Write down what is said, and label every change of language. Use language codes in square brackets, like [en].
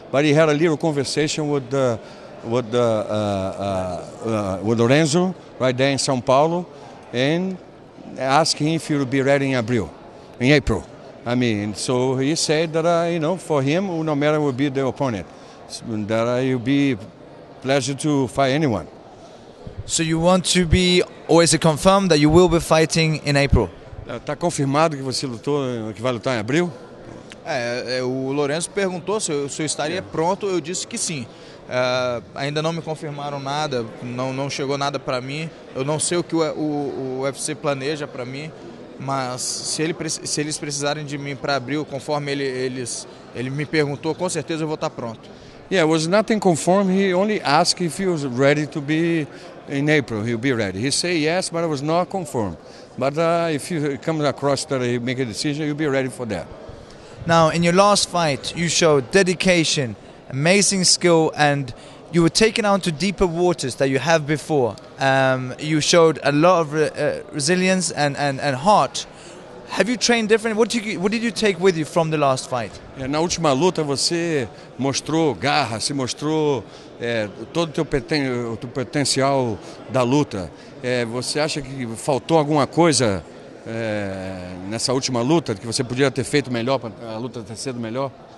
[en] But he had a little conversation with Lorenzo right there in São Paulo, and asked him if he would be ready in April. I mean, so he said that you know, for him, no matter would be the opponent, that it would be a pleasure to fight anyone. So you want to be, or is it confirmed that you will be fighting in April? [pt] Está confirmado que você lutou, que vai lutar em abril? O Lorenzo perguntou se eu estaria pronto, eu disse que sim. Ainda não me confirmaram nada, não chegou nada para mim. Eu não sei o que o UFC planeja para mim, mas se eles precisarem de mim para abril, conforme ele me perguntou, com certeza eu vou estar pronto. [en] Yeah, it was nothing confirmed. He only asked if he was ready to be in April. He'll be ready. He said yes, but it was not confirmed. But if you come across that you make a decision, you'll be ready for that. Now, in your last fight, you showed dedication, amazing skill, and you were taken out to deeper waters than you have before. You showed a lot of resilience and heart. Have you trained differently? What did you take with you from the last fight? [pt] Na última luta você mostrou garra, se mostrou todo o teu potencial da luta. Você acha que faltou alguma coisa nessa última luta que você podia ter feito melhor para a luta ter sido melhor?